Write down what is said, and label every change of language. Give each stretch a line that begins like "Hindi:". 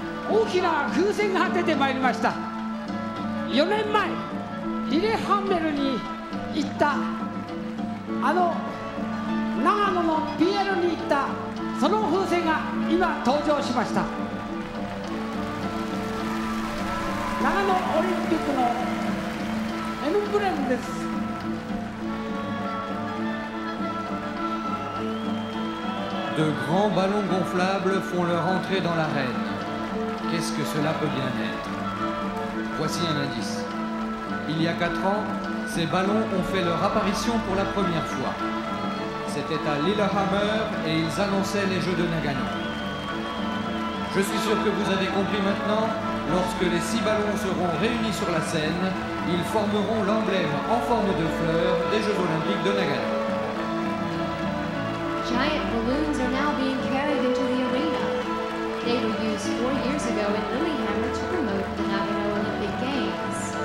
Japanese: 大きな風船が出てまいりました。4年前リレハンメルに行ったあの長野の PL に行ったその風船が今登場しました。長野オリンピックのエンブレムです。
French: De grands ballons gonflables font leur entrée dans l'arène. Qu'est-ce que cela peut bien être ? Voici un indice. Il y a 4 ans, ces ballons ont fait leur apparition pour la première fois. C'était à Lillehammer et ils annonçaient les Jeux de Nagano. Je suis sûr que vous avez compris maintenant, lorsque les 6 ballons seront réunis sur la scène, ils formeront l'emblème en forme de fleur des Jeux Olympiques de Nagano.
English: Giant balloons are now being carried into the arena. They were used 4 years ago in Lillehammer to promote the Nagano Olympic Games.